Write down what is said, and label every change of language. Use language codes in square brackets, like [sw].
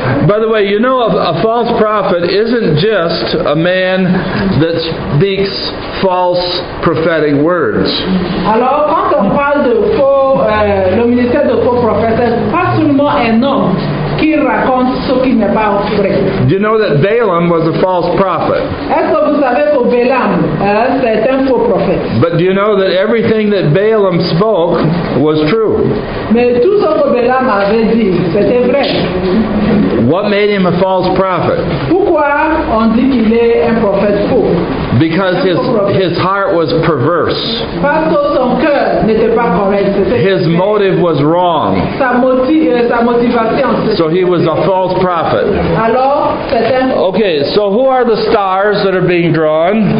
[en] By the way, you know a false prophet isn't just a man that speaks false prophetic words. [fr] Alors, quand on parle de faux, le ministère de faux prophètes, pas seulement un homme. Qui raconte ce qui n'est pas vrai. [en] Do you know that Balaam was a false prophet? [fr] Est-ce que vous savez que Balaam, c'est un faux prophète? [en] But do you know that everything that Balaam spoke was true? [fr] Mais tout ce que Balaam avait dit, c'était vrai. [en] What made him a false prophet? [fr] Pourquoi on dit qu'il est un prophète faux? [en] Because his heart was perverse. [fr] Parce que son cœur n'était pas correct. [en] His motive was wrong. [fr] Sa motivation. [en] So he was a false prophet. [fr] Alors, c'est un. [en] Okay, so who are the stars that are being drawn?